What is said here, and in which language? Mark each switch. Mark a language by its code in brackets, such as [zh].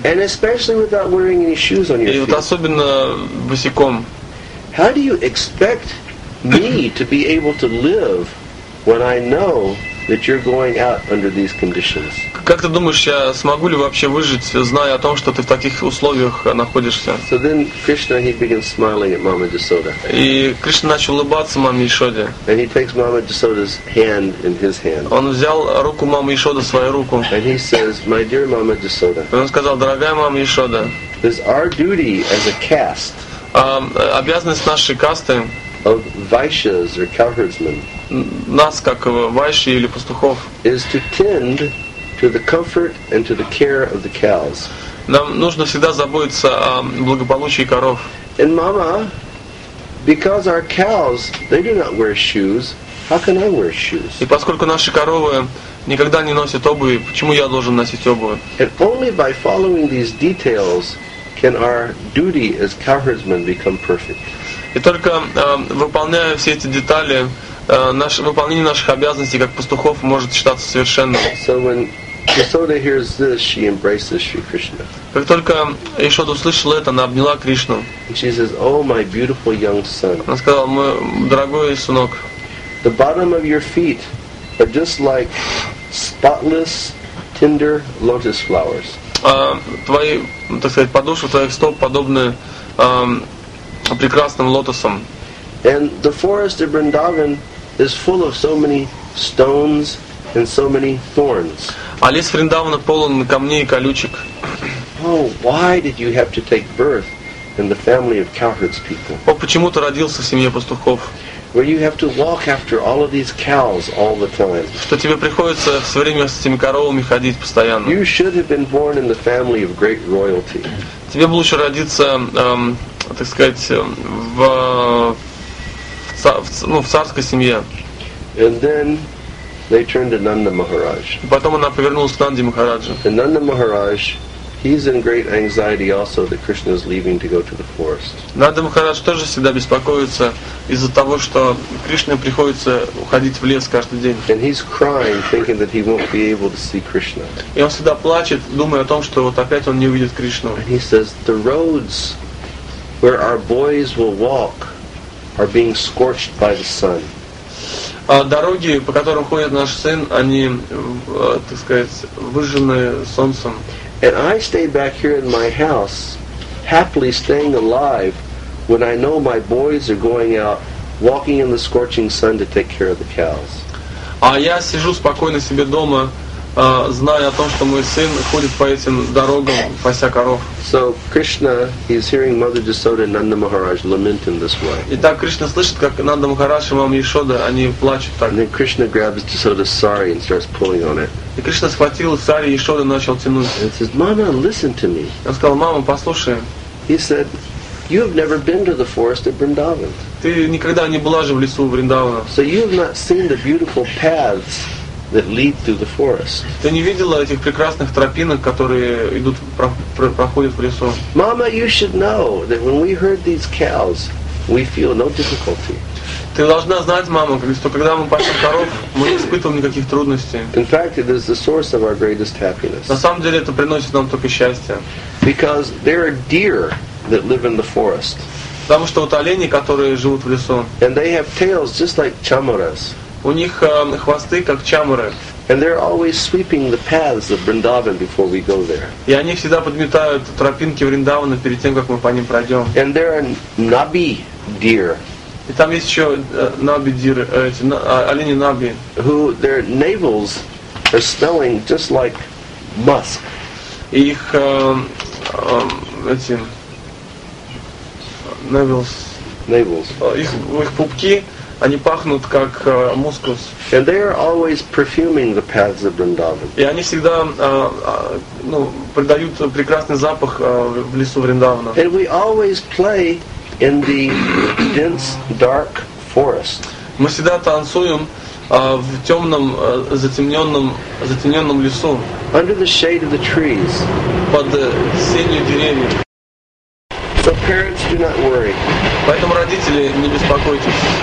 [en] And especially without wearing any shoes on your feet. [ru] И вот особенно босиком. [en] How do you expect me to be able to live when I know that you're going out under these conditions? [ru] Как ты думаешь, я смогу ли вообще выжить, зная о том, что ты в таких условиях находишься? [en] So then Krishna, he begins smiling at Mama Jasoda. [ru] И Кришна начал улыбаться маме Ишоде. [en] And he takes Mama Jasoda's hand in his hand. [ru] Он взял руку мамы Ишоды, свою руку. [en] And he says, my dear Mama Jasoda. [ru] Он сказал, дорогая мама Ишода. [en] It's our duty as a caste. [ru] Обязанность нашей касты. [en] Of vaishyas or cowherdsmen. [ru] Нас как вайши или пастухов. [en] Is to tend to the comfort and to the care of the cows. [ru] Нам нужно всегда заботиться о благополучии коров. [en] And mama, because our cows they do not wear shoes, how can I wear shoes? [ru] И поскольку наши коровы никогда не носят обуви, почему я должен носить обувь? [en] And only by following these details can our duty as cowherdsmen become perfect. [ru] И только выполняя все эти детали, выполнение наших обязанностей как пастухов может считаться совершенным. [en] So when Yasoda hears this, she embraces Sri Krishna. [ru] Как только Ишода услышала это, она обняла Кришну. [en] And she says, "Oh, my beautiful young son." [ru] Она сказала, мой дорогой сынок. [en] The bottom of your feet are just like spotless, tender lotus flowers. [ru] Твои, так сказать, подошвы твоих стоп подобны прекрасным лотосом. [en] And the forest of Vrindavan is full of so many stones and so many thorns. [ru] А лес Вриндавана полон камней и колючек. [en] Oh, why did you have to take birth in the family of cowherds people? [ru] О, почему ты родился в семье пастухов? [en] Where you have to walk after all of these cows all the time. [ru] Что тебе приходится все время с этими коровами ходить постоянно? [en] You should have been born in the family of great royalty. [ru] Тебе бы лучше родиться так сказать, в царской семье. [en] And then they turned to Nanda Maharaj. [ru] Потом она повернулась к Нанде Махараджу. [en] And Nanda Maharaj, he's in great anxiety also that Krishna is leaving to go to the forest. [ru] Нанда Махарадж тоже всегда беспокоится из-за того, что Кришне приходится уходить в лес каждый день. [en] And he's crying, thinking that he won't be able to see Krishna. [ru] И он всегда плачет, думая о том, что вот опять он не увидит Кришну. [en] And he says, the roads where our boys will walk are being scorched by the sun. [ru] Дороги, по которым ходит наш сын, они, так сказать, выжжены солнцем. [en] And I stay back here in my house, happily staying alive, when I know my boys are going out, walking in the scorching sun to take care of the cows. [ru] А я сижу спокойно себе дома, зная о том, что мой сын ходит по этим дорогам, пася коров. [en] So Krishna is hearing Mother Jasoda and Nanda Maharaj lament in this way. [ru] Итак, Кришна слышит, как Нанда Махарадж и мама Ишода, они плачут так. [en] And then Krishna grabs Jasoda's sari and starts pulling on it. [ru] И Кришна схватил сари и Ишода начал тянуть. [en] And says, "Mama, listen to me." [ru] Он сказал, мама, послушай. [en] He said, "You have never been to the forest of Vrindavan." [ru] Ты никогда не была же в лесу Вриндавана. [en] So you have not seen the beautiful paths that lead through the forest. [ru] Ты не видела этих прекрасных тропинок, которые идут проходят в лесу? [en] Mama, you should know that when we herd these cows, we feel no difficulty. [ru] Ты должна знать, мама, что когда мы пасем коров, мы не испытываем никаких трудностей. [en] In fact, it is the source of our greatest happiness. [ru] На самом деле, это приносит нам только счастье. [en] Because there are deer that live in the forest. [ru] Потому что вот олени, которые живут в лесу. [en] And they have tails just like chamuras. [ru] У них хвосты как чамуры. [en] And they're always sweeping the paths of Vrindavan before we go there. [ru] И они всегда подметают тропинки Вриндавана перед тем, как мы по ним пройдем. [en] And there are nabi deer. [ru] И там есть еще наби дир, эти олени наби. [en] Who their navels are smelling just like musk. [ru] Их эти navels. [en] Navels. [ru] Их пупки. Они пахнут как мускус. [en] And they are always perfuming the paths of Vrindavan. [ru] И они всегда, ну, придают прекрасный запах в лесу Вриндавана. [en] And we always play in the dense, dark forest. [ru] Мы всегда танцуем в темном, затемненном лесу. [en] Under the shade of the trees. [ru] Под сенью деревьев. [en] So parents, do not worry. [ru] Поэтому родители, не беспокойтесь.